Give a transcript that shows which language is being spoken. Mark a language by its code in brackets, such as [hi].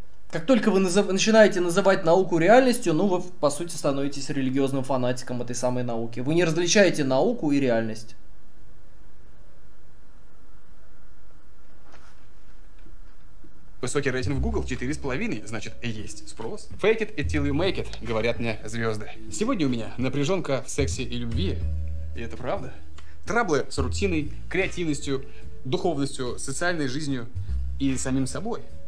[ru] Как только вы начинаете называть науку реальностью, ну, вы, по сути, становитесь религиозным фанатиком этой самой науки. Вы не различаете науку и реальность. Высокий рейтинг в Google — 4,5, значит, есть спрос. [en] Fake it until you make it, [ru] говорят мне звезды. Сегодня у меня напряженка в сексе и любви. И это правда. Траблы с рутиной, креативностью, духовностью, социальной жизнью и самим собой.